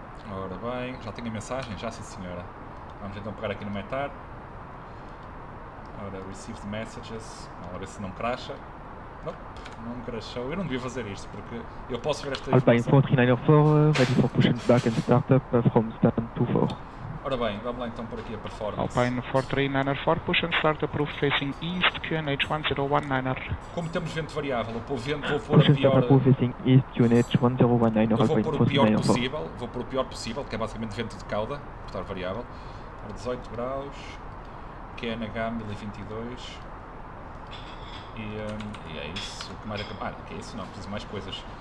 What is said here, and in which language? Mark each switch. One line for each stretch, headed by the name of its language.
Portuguese: Ora bem, já tenho a mensagem? Já, sim senhora. Vamos então pegar aqui no METAR. Ora,
English: received messages,
Portuguese: vamos ver se não crasha. Nope, não crashou. Eu não devia fazer isto, porque eu posso ver esta informação.
English: Alpine 4394, ready for push and back and startup from stand 24.
Portuguese: Ora bem, vamos lá então por aqui a performance.
English: Alpine 4394, push and start approved facing east, QNH1019R.
Portuguese: Como temos vento variável, vou pôr
English: push
Portuguese: a pior...
English: Push facing east, QNH1019R.
Portuguese: Vou pôr o pior possível, que é basicamente vento de cauda, por estar variável. 18 graus, QNH1022. E é isso, o que mais acabar? Ah, que é isso não, preciso mais coisas.